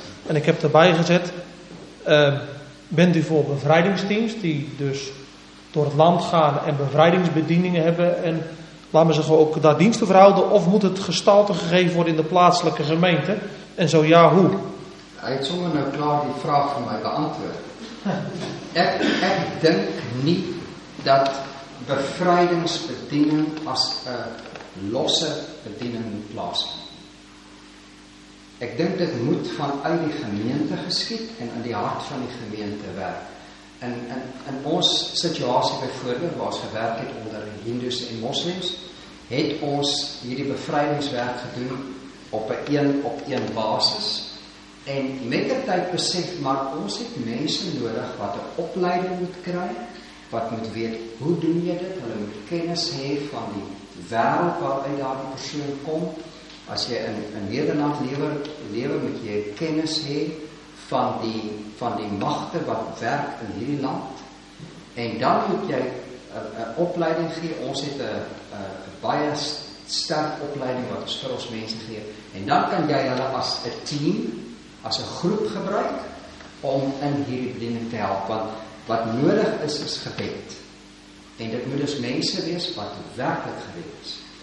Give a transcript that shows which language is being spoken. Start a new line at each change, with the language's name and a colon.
Dutch: En ik heb erbij gezet, bent u voor bevrijdingsteams, die dus door het land gaan en bevrijdingsbedieningen hebben, en laat me zeggen ook daar diensten verhouden, of moet het gestalte gegeven worden in de plaatselijke gemeente? En zo ja, hoe? Hij heeft zonder nou klaar die vraag van mij beantwoord. Ik denk niet dat bevrijdingsbediening als losse bediening moet plaas.
Afrikaans: Ek dink dit moet vanuit die gemeente geskiet en in die hart van die gemeente werk. In ons situasie byvoorbeeld, waar ons gewerk het onder hindoes en moslims, het ons hierdie bevrydingswerk gedoen op 'n een-op-een basis. En met die tyd besef, maar ons het mense nodig wat 'n opleiding moet kry, wat moet weet, hoe doen jy dit? Hulle moet kennis hê van die wereld waaruit daar die persoon kom. As jy in Nederland lewe, moet jy kennis hê van die magte wat werk in hierdie land. En dan moet jy een opleiding gee. Ons het een baie sterk opleiding wat ons vir ons mense gee. En dan kan jy hulle as een team, as een groep gebruik om in hierdie bediening te help. Want wat nodig is, is gebed. En dit moet dus mense wees wat werkelijk gebed is.